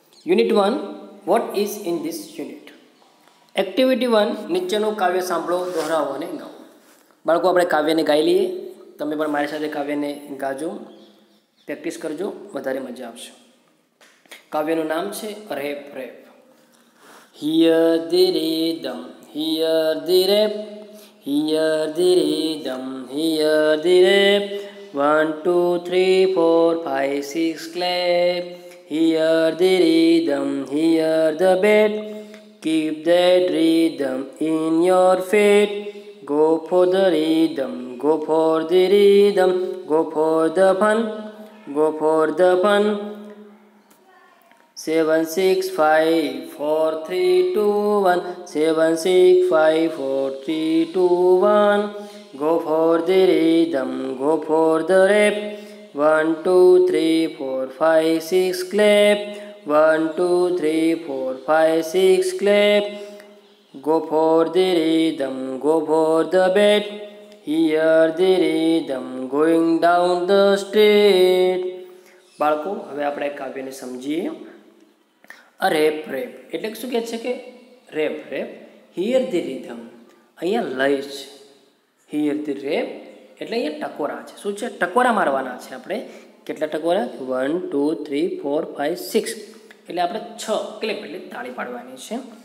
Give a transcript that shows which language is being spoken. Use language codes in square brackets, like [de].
[gu] Unit 1, [en] What is in this unit? [gu] Activity 1, નીચેનું કાવ્ય સાંભળો, દોહરાવો અને ગાઓ. બાળકો, આપણે કાવ્યને ગાઈ લઈએ, તમે પણ મારી સાથે કાવ્યને ગાજો, પ્રેક્ટિસ કરજો, વધારે મજા આવશે. કાવ્યનું નામ છે rape rape. [en] Hear the rhythm, hear the rap, hear the rhythm, hear the rap. 1, 2, 3, 4, 5, 6, clap. Hear the rhythm, hear the beat. Keep that rhythm in your feet. Go for the rhythm, go for the rhythm, go for the fun, go for the fun. 7, 6, 5, 4, 3, 2, 1. 7, 6, 5, 4, 3, 2, 1. Go for the rhythm, go for the rap. 1, 2, 3, 4, 5, 6, clap. 1, 2, 3, 4, 5, 6, clap. Go for the rhythm, go for the beat. Hear the rhythm going down the street. [gu] બાળકો, હવે આપણે કાવ્યને સમજીએ. Rape rape એટલે શું કહે છે કે rape rape [en] hear the rhythm, [gu] અહીંયા લય છે. [en] hear the rap [gu] એટલે અહીંયા ટકોરા છે. શું છે? ટકોરા મારવાના છે. આપણે કેટલા ટકોરા? 1, 2, 3, 4, 5, 6, એટલે આપણે 6 ક્લિપ એટલે તાળી પાડવાની છે.